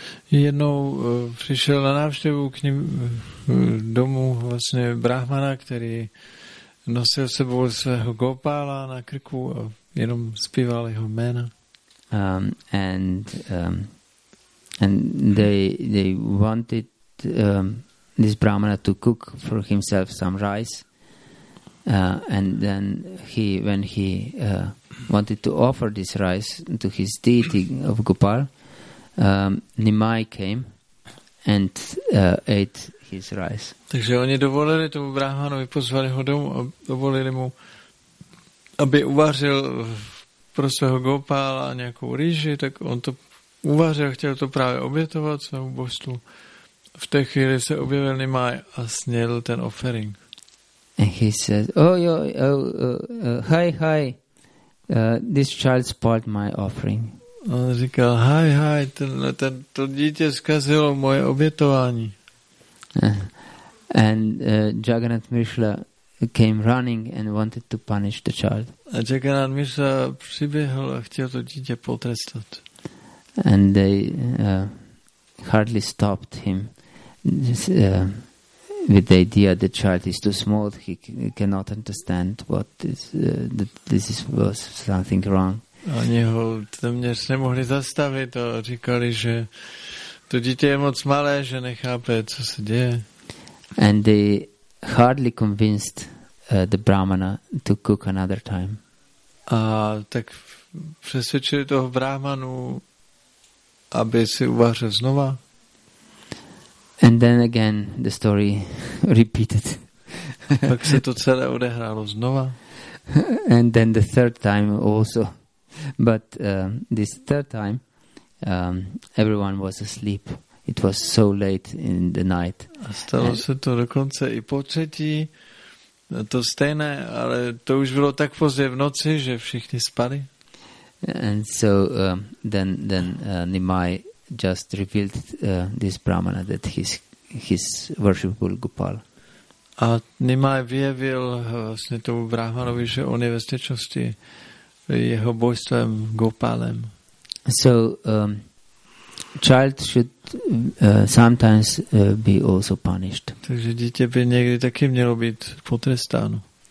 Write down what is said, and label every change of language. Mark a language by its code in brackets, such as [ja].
[cs] Jednou přišel na návštěvu k ním domů vlastně brahmana, který nosil sebou svého Gopala na krku a jenom zpíval jeho jména. [en] And they wanted this brahmana to cook for himself some rice, and then when he wanted to offer this rice to his deity of Gopal, Nimai came and ate his rice. [cs] Takže oni dovolili tomu brahmanovi, pozvali ho domů a dovolili mu, aby uvařil pro svého Gopala nějakou rýži, tak on to uvařil, chtěl to právě obětovat svému božstvu. V té chvíli se objevil Nimai a snědl ten offering. [en] And he said, hi, this child spoiled my offering. [cs] On říkal, hi, to dítě zkazilo moje obětování. [en] And Jagannath Mishra came running and wanted to punish the child. [cs] A Jagannath Mishra přiběhl a chtěl to dítě potrestat. [en] And they hardly stopped him. With the idea the child is too small, he cannot understand what is this was something wrong. [cs] Oni ho téměř nemohli zastavit a říkali, že to dítě je moc malé, že nechápe, co se děje. [en] And they hardly convinced the brahmana to cook another time. [cs] A tak přesvědčili toho brahmanu, aby si uvařil znova. [en] And then again the story repeated. [cs] Pak se to celé odehrálo znova. [en] And then the third time also. But this third time everyone was asleep. It was so late in the night. [cs] A stalo se to dokonce i po třetí. To stejné, ale to už bylo tak pozdě v noci, že všichni spali. [en] And so then Nimai just revealed this brahmana that his worshipful Gopal. [cs] A Nimai vyjevil vlastně tomu brahmanovi, že on je ve skutečnosti jeho božstvem Gopalem. [en] So child should sometimes be also punished. [cs] Takže dítě by někdy taky mělo být potrestáno.